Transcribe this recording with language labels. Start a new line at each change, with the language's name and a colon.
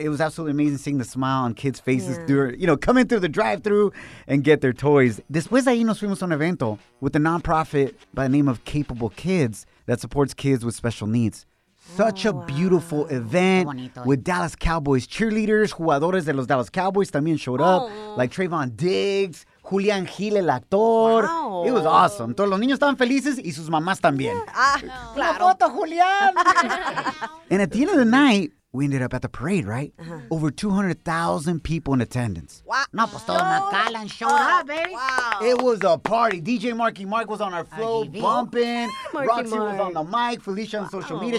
English: It was absolutely amazing seeing the smile on kids' faces, coming through the drive-thru and get their toys.
Spanish: Después de ahí nos fuimos a un evento
English: with a nonprofit by the name of Capable Kids that supports kids with special needs. Such a beautiful event with Dallas Cowboys cheerleaders.
Spanish: Jugadores de los Dallas Cowboys también
English: showed up. Like Trayvon Diggs, Julian Gil,
Spanish: el actor.
English: Wow. It was awesome.
Spanish: Todos los niños estaban felices y sus mamás también.
English: Yeah.
Spanish: ¡La foto, Julian!
English: And at the end of the night, we ended up at the parade, right? Uh-huh. Over 200,000 people in attendance.
Spanish: Wow. No, pues todo McAllen
English: showed up, baby. Wow. It was a party. DJ Marky Mark was on our flow, bumping. Roxy Mark was on the mic. Felicia on social media.